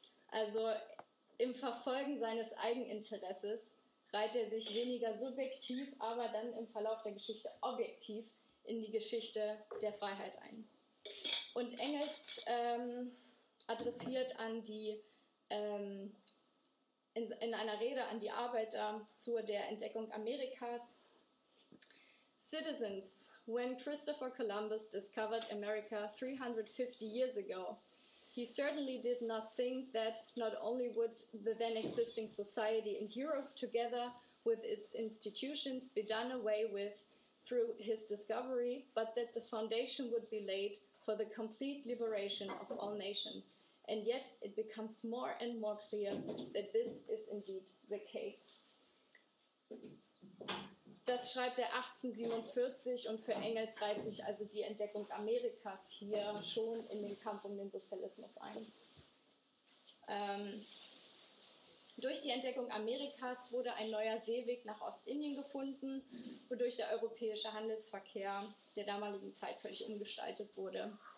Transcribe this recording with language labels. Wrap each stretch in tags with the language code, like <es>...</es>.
<de>Also im Verfolgen seines Eigeninteresses reiht er sich weniger subjektiv, aber dann im Verlauf der Geschichte objektiv in die Geschichte der Freiheit ein. Und Engels adressiert an die in einer Rede an die Arbeiter zur der Entdeckung Amerikas.</de> <en>Citizens, when Christopher Columbus discovered America 350 years ago, he certainly did not think that not only would the then existing society in Europe, together with its institutions, be done away with through his discovery, but that the foundation would be laid for the complete liberation of all nations. And yet it becomes more and more clear that this is indeed the case.</en> <de>Das schreibt er 1847 und für Engels reiht sich also die Entdeckung Amerikas hier schon in den Kampf um den Sozialismus ein. Durch die Entdeckung Amerikas wurde ein neuer Seeweg nach Ostindien gefunden, wodurch der europäische Handelsverkehr der damaligen Zeit völlig umgestaltet wurde.</de>